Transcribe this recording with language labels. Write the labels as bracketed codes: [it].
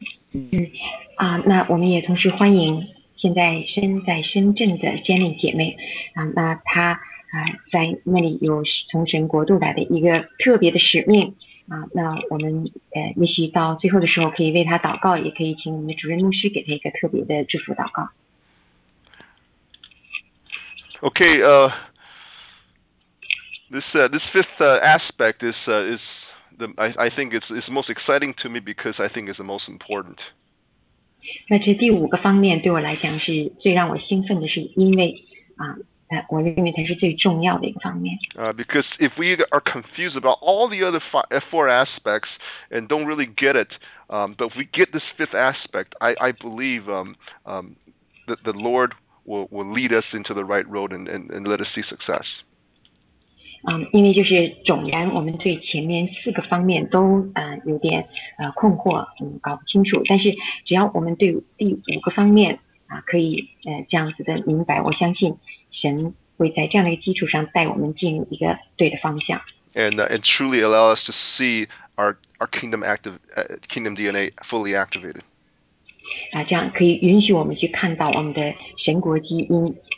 [zh] 嗯啊，那我们也同时欢迎现在身在深圳的坚丽姐妹啊，那她啊在那里有从神国度来的一个特别的使命啊，那我们也许到最后的时候可以为她祷告，也可以请我们的主任牧师给她一个特别的祝福祷告。 [en] Okay, This fifth aspect is the I think it's most exciting to me because I think it's the most important. [zh] 那这第五个方面对我来讲是最让我兴奋的，是因为啊，我认为它是最重要的一个方面。 [en] Because if we are confused about all the other four aspects and don't really get it, but if we get this fifth aspect, I believe that the Lord will lead us into the right road and let us see success. [zh] 因为就是总然我们对前面四个方面都有点困惑，搞不清楚，但是只要我们对第五个方面可以这样子的明白，我相信神会在这样的一个基础上带我们进入一个对的方向。 [en] And truly allow us to see our kingdom kingdom DNA fully activated. [zh] 这样可以允许我们去看到我们的神国基因。